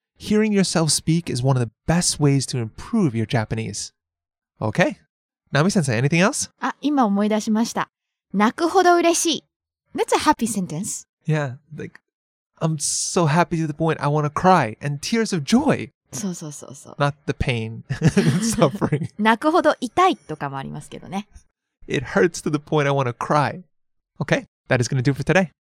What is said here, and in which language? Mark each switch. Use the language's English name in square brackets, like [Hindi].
[English] Hearing yourself speak is one of the best ways to improve your Japanese. Okay. Naomi-sensei, anything else? [Japanese] 今思い出しました。泣くほど嬉しい。 [English] That's a happy sentence. Yeah, like I'm so happy to the point I want to cry and tears of joy. [Japanese] そうそうそうそう。 [English] Not the pain and suffering. [Japanese] 泣くほど痛いとかもありますけどね。 [English] It hurts to the point I want to cry. Okay, that is going to do for today.